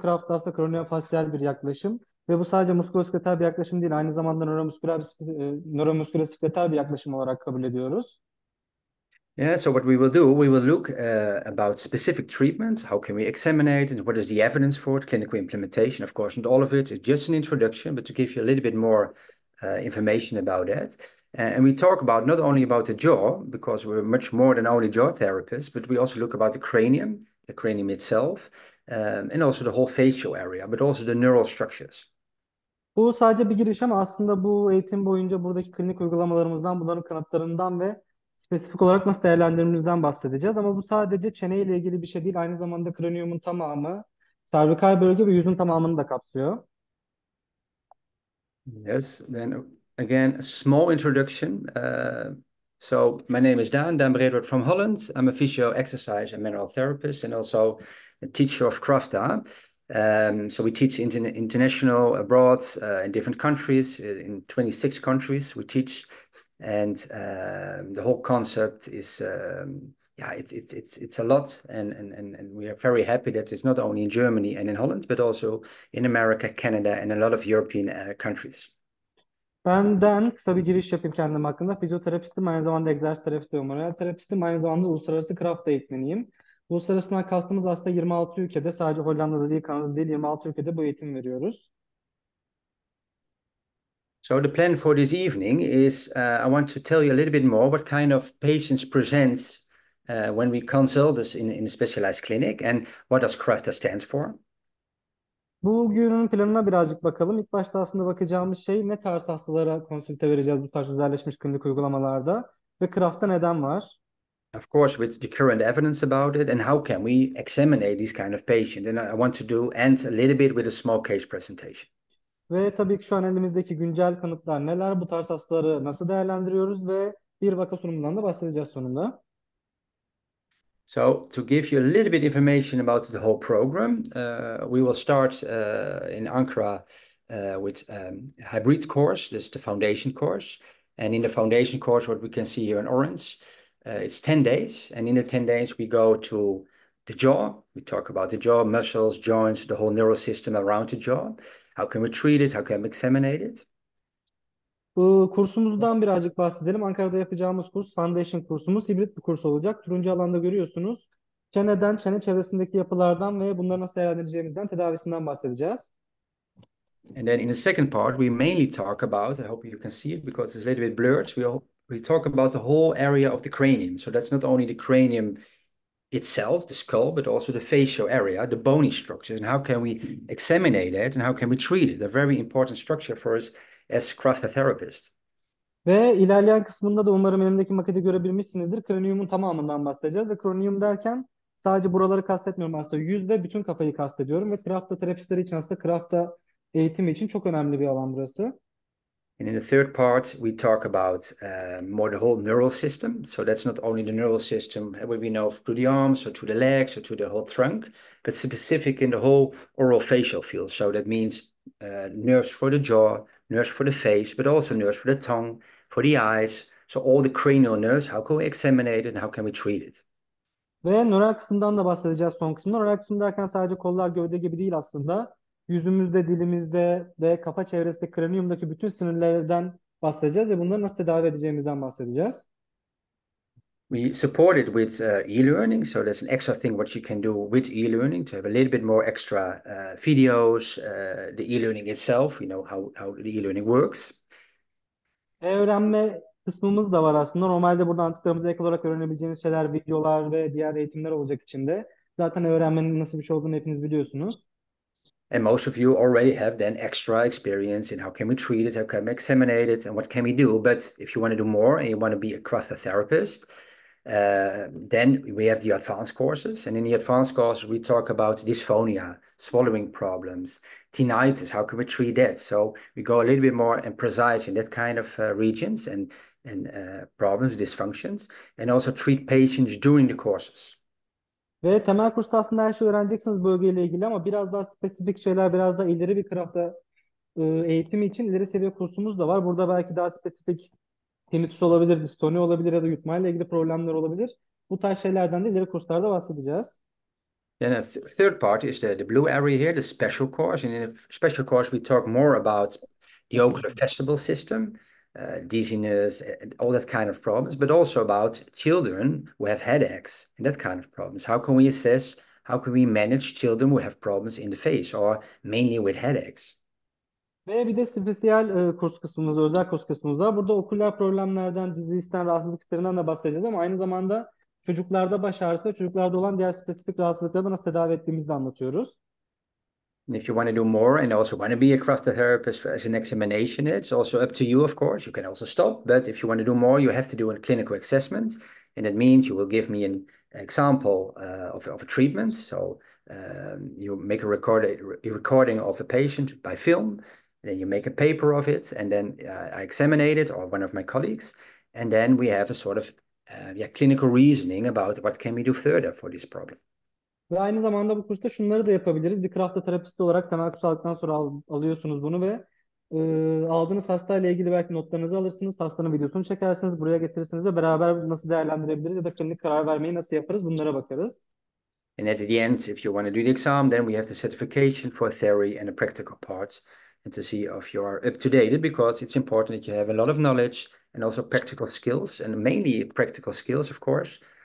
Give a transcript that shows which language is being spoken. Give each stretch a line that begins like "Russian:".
Turkish: Craft aslında kronyofasyal bir yaklaşım ve bu sadece muskuloskeletal bir yaklaşım değil, aynı zamanda neuromuskuloskeletal bir yaklaşım olarak kabul ediyoruz.
English: Yeah, so what we will do, we will look about specific treatments, how can we examine it, and what is the evidence for it, clinical implementation, of course, not all of it, it's just an introduction, but to give you a little bit more information about that. And we talk about not only about the jaw, because we're much more than only jaw therapists, but we also look about the cranium itself, and also the whole facial area, but also the neural structures.
Turkish: Bu sadece bir giriş ama aslında bu eğitim boyunca buradaki klinik uygulamalarımızdan, bunların kanıtlarından ve spesifik olarak nasıl değerlendirdiğimizden bahsedeceğiz. Ama bu sadece çene ile ilgili bir şey değil, aynı zamanda kraniyumun tamamı, servikal bölge ve yüzün tamamını da kapsıyor.
English: Yes, then again, a small introduction. So my name is Daan Breedwart from Holland. I'm a physio exercise and manual therapist and also a teacher of Crafta. So we teach international abroad in different countries, in 26 countries we teach. And the whole concept is, yeah, it's a lot. And we are very happy that it's not only in Germany and in Holland, but also in America, Canada, and a lot of European countries.
Turkish: Benden kısa bir giriş yapayım kendim hakkında. Fizyoterapistim, aynı zamanda egzersiz terapistim, manuel terapistim, aynı zamanda uluslararası Craft eğitmeniyim. Uluslararası kastımız aslında 26 ülkede, sadece Hollanda'da değil, Kanada'da değil, 26 ülkede bu eğitim veriyoruz.
English: So the plan for this evening is I want to tell you a little bit more what kind of patients present when we consult us in a specialized clinic and what does CRAFTA stands for?
Turkish: Bugünün planına birazcık bakalım. İlk başta aslında bakacağımız şey ne tarz hastalara konsülte vereceğiz bu tarz özelleşmiş klinik uygulamalarda ve Craft'ta neden var?
English: Of course, with the current evidence about it and how can we examine these kind of patients? And I want to do end a little bit with a small case presentation.
Turkish: Ve tabii ki şu an elimizdeki güncel kanıtlar neler? Bu tarz hastaları nasıl değerlendiriyoruz ve bir vaka sunumundan da bahsedeceğiz sonunda.
English: So to give you a little bit information about the whole program, we will start in Ankara with a hybrid course. This is the foundation course. And in the foundation course, what we can see here in orange, it's 10 days. And in the 10 days, we go to the jaw. We talk about the jaw, muscles, joints, the whole neural system around the jaw. How can we treat it? How can we examine it?
Turkish: Kursumuzdan birazcık bahsedelim. Ankara'da yapacağımız kurs Foundation kursumuz. Hibrit bir kurs olacak. Turuncu alanda görüyorsunuz. Çeneden, çene çevresindeki yapılardan ve bunları nasıl değerlendireceğimizden, tedavisinden bahsedeceğiz.
English: And then in the second part, we mainly talk about, I hope you can see it because it's a little bit blurred. We talk about the whole area of the cranium. So that's not only the cranium itself, the skull, but also the facial area, the bony structures, and how can we examine it and how can we treat it? A very important structure for us as craft therapist.
Turkish: Ve ilerleyen kısmında da umarım elimdeki maketi görebilmişsinizdir. Kraniyumun tamamından bahsedeceğiz. Ve kraniyum derken sadece buraları kastetmiyorum aslında. Yüz ve bütün kafayı kastediyorum. Ve krafta terapistleri için aslında krafta eğitimi için çok önemli bir alan burası.
English: And in the third part, we talk about more the whole neural system. So that's not only the neural system where we know through the arms or to the legs or to the whole trunk, but specific in the whole orofacial field. So that means nerves for the jaw, nerves for the face, but also nerves for the tongue, for the eyes. So all the cranial nerves, how can we examine it and how can we treat it?
Turkish: Ve nöral kısımdan da bahsedeceğiz son kısımda. Nöral kısım derken sadece kollar gövde gibi değil aslında. Yüzümüzde, dilimizde ve kafa çevresinde, kraniyumdaki bütün sinirlerden bahsedeceğiz ve bunları nasıl tedavi edeceğimizden bahsedeceğiz.
English: We support it with e-learning, so that's an extra thing what you can do with e-learning to have a little bit more extra videos, the e-learning itself, you know how the e-learning works.
Turkish: Öğrenme kısmımız da var aslında. Normalde burada anlattıklarımıza ek olarak öğrenebileceğiniz şeyler, videolar ve diğer eğitimler olacak içinde. Zaten öğrenmenin nasıl bir şey olduğunu hepiniz biliyorsunuz.
English: And most of you already have then extra experience in how can we treat it, how can we examine it, and what can we do. But if you want to do more and you want to be a craft therapist, then we have the advanced courses. And in the advanced course, we talk about dysphonia, swallowing problems, tinnitus, how can we treat that? So we go a little bit more and precise in that kind of regions and problems, dysfunctions, and also treat patients during the courses.
Turkish: Ve temel kursta aslında her şeyi öğreneceksiniz bölgeyle ilgili ama biraz daha spesifik şeyler, biraz daha ileri bir krafta eğitimi için ileri seviye kursumuz da var. Burada belki daha spesifik tinnitus olabilir, distoni olabilir ya da yutmayla ilgili problemler olabilir. Bu tarz şeylerden de ileri kurslarda bahsedeceğiz.
English: Then a th third part is the blue area here, the special course. And in a special course, we talk more about the oculofacial system, dizziness, all that kind of problems, but also about children who have headaches and that kind of problems. How can we assess, how can we manage children who have problems in the face or mainly with headaches?
Turkish: Ve bir de spesiyel kurs kısmımızda, özel kurs kısmımızda. Burada oküler problemlerden, dizilişten, rahatsızlık hislerinden de bahsedeceğiz ama aynı zamanda çocuklarda baş ağrısı ve çocuklarda olan diğer spesifik rahatsızlıkları nasıl tedavi ettiğimizi de anlatıyoruz.
English: And if you want to do more and also want to be a craft therapist as an examination, it's also up to you, of course. You can also stop. But if you want to do more, you have to do a clinical assessment. And that means you will give me an example of a treatment. So you make a recording of a patient by film. And then you make a paper of it. And then I examine it or one of my colleagues. And then we have a sort of clinical reasoning about what can we do further for this problem.
Turkish: Ve aynı zamanda bu kursta şunları da yapabiliriz. Bir krafta terapisti olarak temel kurs aldıktan sonra alıyorsunuz bunu ve aldığınız hastayla ilgili belki notlarınızı alırsınız. Hastanın videosunu çekersiniz. Buraya getirirsiniz ve beraber nasıl değerlendirebiliriz ya da klinik karar vermeyi nasıl yaparız bunlara bakarız.
English: And at the end, if you want to do the exam, then we have the certification for theory and the practical part, and to see if you are up to date, because it's important that you have a lot of knowledge and also practical skills, and mainly practical skills, of course.